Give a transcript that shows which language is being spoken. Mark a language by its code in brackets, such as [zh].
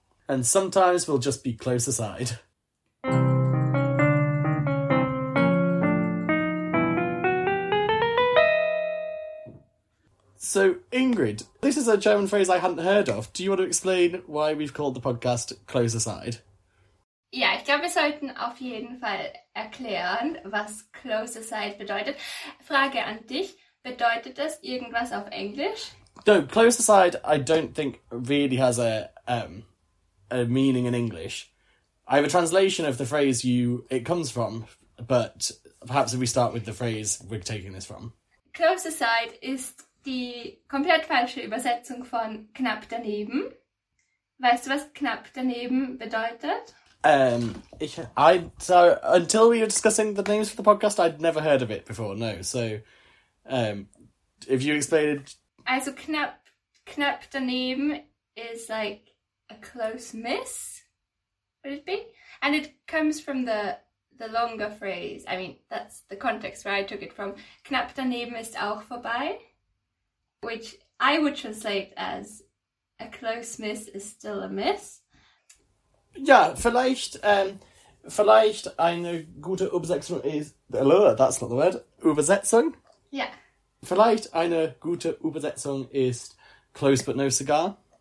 [en] And sometimes we'll just be close aside. So, Ingrid, this is a German phrase I hadn't heard of. Do you want to explain why we've called the podcast Close Aside? [de] Ja, ich glaube, wir sollten auf jeden Fall erklären, was Close Aside bedeutet. Frage an dich, bedeutet das irgendwas auf Englisch? [en] No, Close Aside, I don't think really has a meaning in English. I have a translation of the phrase it comes from, but perhaps if we start with the phrase we're taking this from. [de] Close Aside ist die komplett falsche Übersetzung von knapp daneben. Weißt du, was knapp daneben bedeutet? [en] Until we were discussing the names for the podcast, I'd never heard of it before, no. So, if you explain it. Also, [de] knapp daneben [en] is like a close miss, would it be? And it comes from the longer phrase. I mean, that's the context where I took it from. [de] Knapp daneben ist auch vorbei. [en] Which I would translate as a close miss is still a miss. [de] Ja, vielleicht eine gute Übersetzung ist, [en] that's not the word, [de] Übersetzung. Ja. Vielleicht eine gute Übersetzung ist [en] close but no cigar.